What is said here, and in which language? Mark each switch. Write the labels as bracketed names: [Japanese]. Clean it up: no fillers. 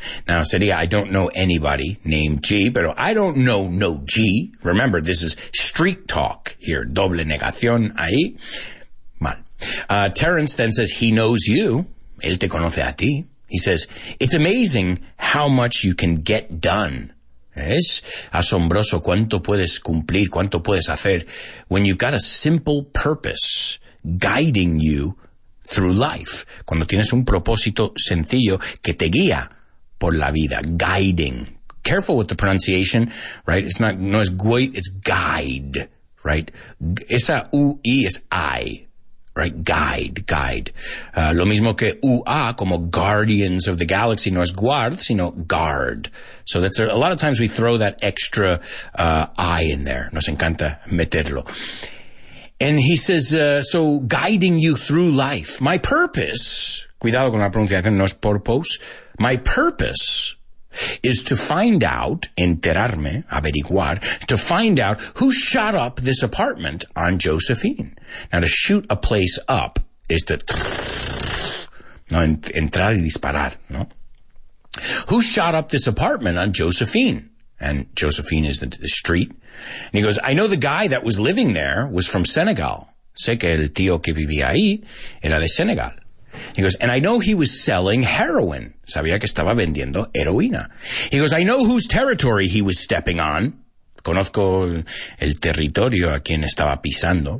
[English] Now, sería, I don't know anybody named G, pero I don't know no G. Remember, this is street talk here, [Spanish] doble negación ahí. Mal. [English] Terrence then says, he knows you. [Spanish] Él te conoce a ti. [English] He says, it's amazing how much you can get done. [Spanish] Es asombroso cuánto puedes cumplir, cuánto puedes hacer [English] when you've got a simple purpose guiding you through life. [Spanish] Cuando tienes un propósito sencillo que te guía por la vida, guiding. [English] Careful with the pronunciation, right? It's not, [Spanish] no es guay, [English] it's guide, right? [Spanish] Esa U-I es I. [English] Right, guide. [Spanish] Lo mismo que UA, como Guardians of the Galaxy, no es guard, sino guard. [English] So that's a lot of times we throw that extra I in there. [Spanish] Nos encanta meterlo. [English] And he says, so guiding you through life. My purpose, [Spanish] cuidado con la pronunciación, no es purpose. [English] My purpose is to find out, [Spanish] enterarme, averiguar, [English] to find out who shot up this apartment on Josephine. Now, to shoot a place up is to no, [Spanish] entrar y disparar, ¿no? [English] Who shot up this apartment on Josephine? And Josephine is the street. And he goes, I know the guy that was living there was from Senegal. [Spanish] Sé que el tío que vivía ahí era de Senegal. [English] He goes, and I know he was selling heroin. [Spanish] Sabía que estaba vendiendo heroína. [English] He goes, I know whose territory he was stepping on. [Spanish] Conozco el territorio a quien estaba pisando.